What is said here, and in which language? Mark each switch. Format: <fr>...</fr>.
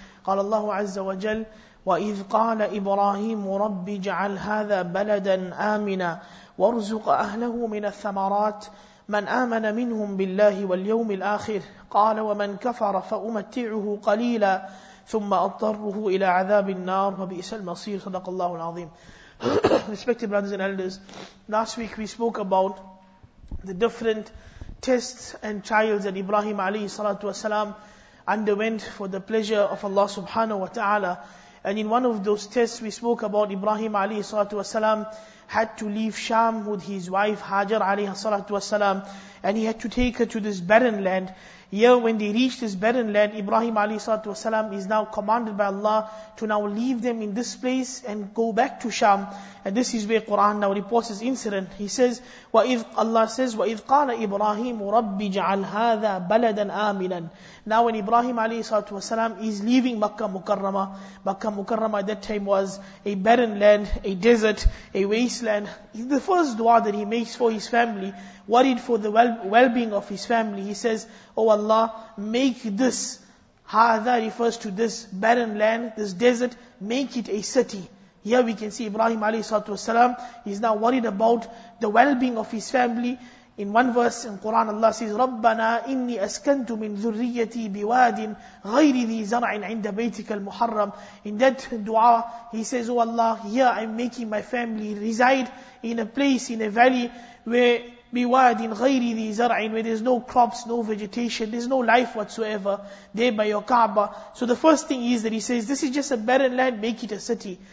<ar>قال الله عز وجل: وإذ قال إبراهيم رب اجعل هذا بلدا آمنا وارزق أهله من الثمرات من آمن منهم بالله واليوم الآخر قال ومن كفر فأمتعه قليلا ثم أضطره إلى عذاب النار وبئس المصير. صدق الله العظيم.</ar> <en>Respected brothers and elders, last week we spoke about the different tests and trials that Ibrahim</en> <ar>عليه الصلاة والسلام</ar> <en>underwent for the pleasure of Allah subhanahu wa ta'ala. And in one of those tests we spoke about Ibrahim</en> <ar>عليه الصلاة والسلام</ar> <en>had to leave Sham with his wife Hajar عليه الصلاة والسلام, and he had to take her to this barren land. Here, when they reach this barren land, Ibrahim alayhi salatu wasalam is now commanded by Allah to now leave them in this place and go back to Sham. And this is where Quran now reports this incident. He says, Allah says,</en> <ar>وَإِذْ قَالَ إِبْرَاهِيمُ رَبِّ جَعَلْ هَذَا بَلَدًا آمِنًا.</ar> <en>Now when Ibrahim alayhi salatu wasalam is leaving Makkah Mukarramah at that time was a barren land, a desert, a wasteland. The first dua that he makes for his family, worried for the well-being of his family, he says, Oh Allah, make this, Hadha refers to this barren land, this desert, make it a city. Here we can see Ibrahim a.s. is now worried about the well-being of his family. In one verse in Quran, Allah says,</en> <ar>رَبَّنَا إِنِّي أَسْكَنْتُ مِنْ ذُرِّيَّتِي بِوَادٍ غَيْرِ ذِي زَرْعٍ عِنْدَ بَيْتِكَ الْمُحَرَّمٍ.</ar> <en>In that dua, he says, Oh Allah, here I'm making my family reside in a place, in a valley, where</en> <ar>بِوَادٍ غَيْرِ ذِي زَرْعٍ,</ar> <en>where there's no crops, no vegetation, there's no life whatsoever, there by your Kaaba. So the first thing is that he says, this is just a barren land, make it a city.</en>